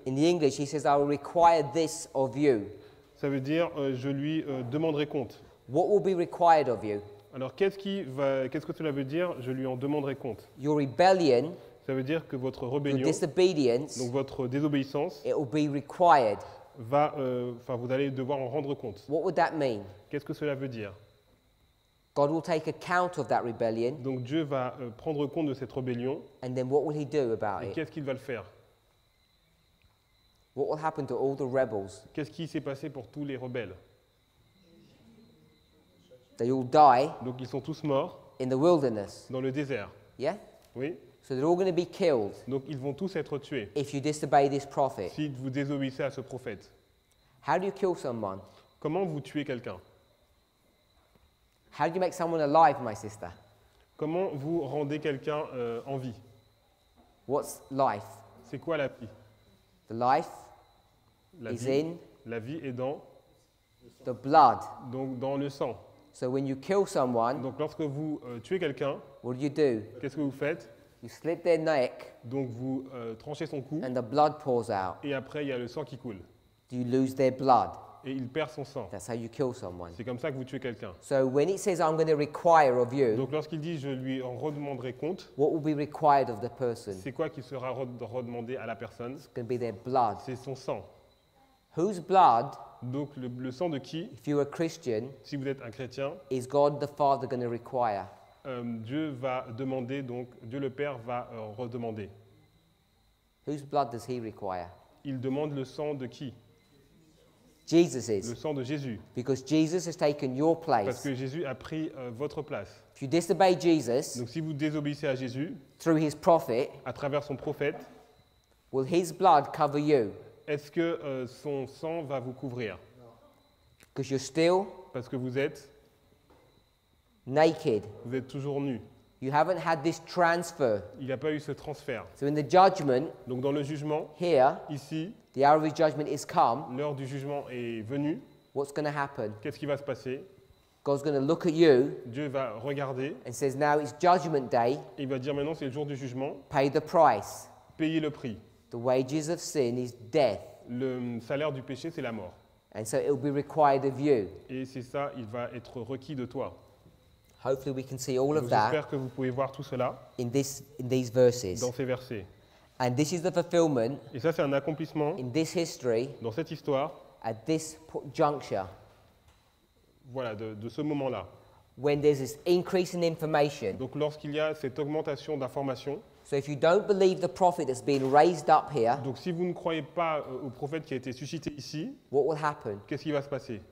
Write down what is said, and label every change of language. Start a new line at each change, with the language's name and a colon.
English: in the English, he says, I will require this of you.
French: Ça veut dire, je lui demanderai compte.
English: What will be required of you?
French: Alors, qu'est-ce que cela veut dire, je lui en demanderai compte?
English: Your rebellion,
French: ça veut dire que votre rébellion,
English: your disobedience,
French: donc votre désobéissance,
English: it will be required.
French: Vous allez devoir en rendre compte.
English: What would that mean?
French: Qu'est-ce que cela veut dire?
English: God will take account of that rebellion.
French: Donc Dieu va prendre compte de cette rébellion.
English: And then what will he do about
French: it? Et qu'est-ce qu'il va le faire?
English: What will happen to all the rebels?
French: Qu'est-ce qui s'est passé pour tous les rebelles?
English: They all die.
French: Donc ils sont tous morts.
English: In the wilderness.
French: Dans le désert.
English: Yeah?
French: Oui.
English: So they're all going to be killed.
French: Donc ils vont tous être tués.
English: If you disobey this prophet.
French: Si vous désobéissez à ce prophète.
English: How do you kill someone?
French: Comment vous tuez quelqu'un?
English: How do you make someone alive, my sister?
French: Comment vous rendez quelqu'un en vie?
English: What's life?
French: C'est quoi la vie?
English: The life
French: la
English: is
French: vie.
English: In
French: la vie est dans
English: the blood.
French: Donc dans le sang.
English: So when you kill someone,
French: donc lorsque vous tuez quelqu'un,
English: what do you do?
French: Qu'est-ce que vous faites?
English: You slit their neck.
French: Donc vous tranchez son cou.
English: And the blood pours out.
French: Et après il y a le sang qui coule.
English: Do you lose their blood?
French: Et il perd son sang.
English: That's how you kill someone.
French: C'est comme ça que vous tuez quelqu'un.
English: So when it says I'm going to require of you,
French: donc lorsqu'il dit je lui en redemanderai compte,
English: what will be required of the person?
French: C'est quoi qui sera redemandé à la personne?
English: It's going to be their blood.
French: C'est son sang.
English: Whose blood?
French: Donc le sang de qui?
English: If you're a Christian,
French: si vous êtes un chrétien,
English: is God the Father going to require?
French: Dieu va demander donc Dieu le Père va redemander.
English: Whose blood does he require?
French: Il demande le sang de qui?
English: Jesus is.
French: Le sang de Jésus.
English: Because Jesus has taken your place.
French: Parce que Jésus a pris votre place.
English: If you disobey Jesus,
French: donc si vous désobéissez à Jésus,
English: through his prophet,
French: à travers son prophète,
English: will his blood cover you?
French: Est-ce que son sang va vous couvrir?
English: Because you're still.
French: Parce que vous êtes.
English: Naked.
French: Vous êtes toujours nu.
English: You haven't had this transfer.
French: Il n'a pas eu ce transfert.
English: So in the judgment,
French: donc dans le jugement,
English: here,
French: ici,
English: the hour of his judgment is come.
French: L'heure du jugement est venue.
English: What's going to happen?
French: Qu'est-ce qui va se passer?
English: God's going to look at you.
French: Dieu va regarder.
English: And says now it's judgment day.
French: Et il va dire maintenant c'est le jour du jugement.
English: Pay the price.
French: Payez le prix.
English: The wages of sin is death.
French: Le salaire du péché c'est la mort.
English: And so it will be required of you.
French: Et c'est ça, il va être requis de toi.
English: Hopefully we can see all of that.
French: J'espère que vous pouvez voir tout cela.
English: In these verses.
French: Dans ces versets.
English: And this is the fulfillment.
French: Et ça c'est un accomplissement.
English: In this history.
French: Dans cette histoire.
English: At this juncture.
French: Voilà de ce moment-là.
English: When there's this increase in information.
French: Donc lorsqu'il y a cette augmentation d'information.
English: So if you don't believe the prophet that's been raised up here.
French: Donc si vous ne croyez pas au prophète qui a été suscité ici.
English: What will happen?
French: Qu'est-ce qui va se passer?